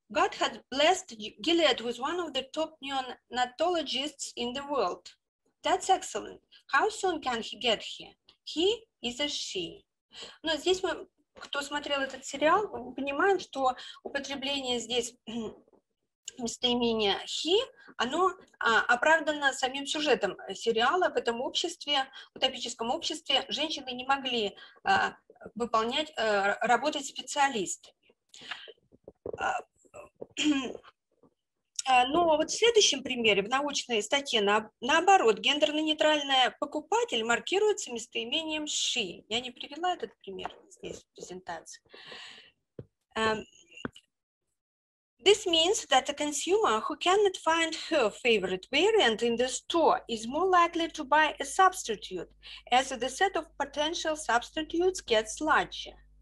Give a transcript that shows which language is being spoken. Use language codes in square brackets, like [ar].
[en] God has blessed Gilead with one of the top neonatologists in the world. That's excellent. How soon can he get here? He is a she». [ru] Но здесь мы, кто смотрел этот сериал, понимаем, что употребление здесь... местоимение he, оно оправдано самим сюжетом сериала. В этом обществе, в утопическом обществе, женщины не могли работать специалистами. Но вот в следующем примере, в научной статье, наоборот, гендерно-нейтральная покупатель маркируется местоимением she. Я не привела этот пример здесь в презентации. [en] This means that a consumer who cannot find her favorite variant in the store is more likely to buy a substitute, as the set of potential substitutes gets larger.